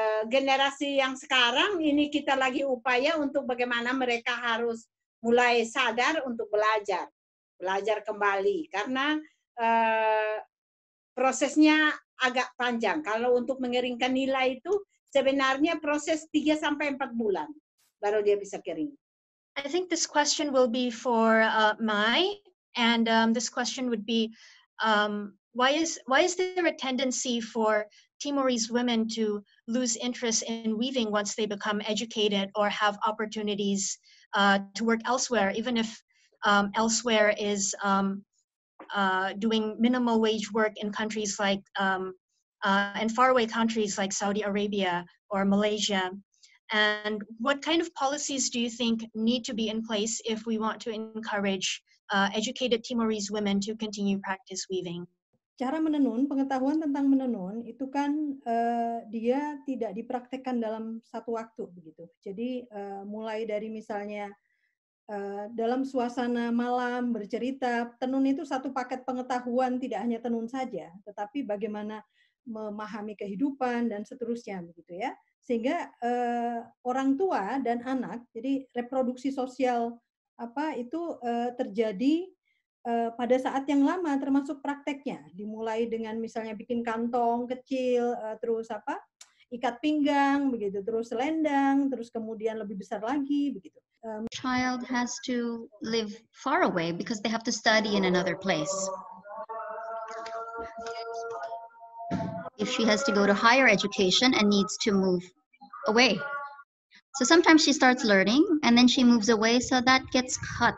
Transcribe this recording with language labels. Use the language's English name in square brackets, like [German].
[Indonesian] Generasi yang sekarang ini kita lagi upaya untuk bagaimana mereka harus mulai sadar untuk belajar kembali, karena prosesnya agak panjang. Kalau untuk mengeringkan nila itu sebenarnya proses 3-4 bulan baru dia bisa kering. [English] I think this question will be for Mai, and this question would be, why is there a tendency for Timorese women to lose interest in weaving once they become educated or have opportunities to work elsewhere, even if elsewhere is doing minimal wage work in countries like in faraway countries like Saudi Arabia or Malaysia? And what kind of policies do you think need to be in place if we want to encourage educated Timorese women to continue practice weaving? [Indonesian] Cara menenun, pengetahuan tentang menenun itu kan dia tidak dipraktekkan dalam satu waktu begitu. Jadi mulai dari misalnya dalam suasana malam bercerita, tenun itu satu paket pengetahuan, tidak hanya tenun saja, tetapi bagaimana memahami kehidupan dan seterusnya begitu ya. Sehingga orang tua dan anak, jadi reproduksi sosial apa itu terjadi pada saat yang lama, termasuk prakteknya dimulai dengan misalnya bikin kantong kecil, terus apa ikat pinggang begitu, terus selendang, terus kemudian lebih besar lagi begitu. [English] Child has to live far away because they have to study in another place. If she has to go to higher education and needs to move away. So sometimes she starts learning and then she moves away, so that gets cut.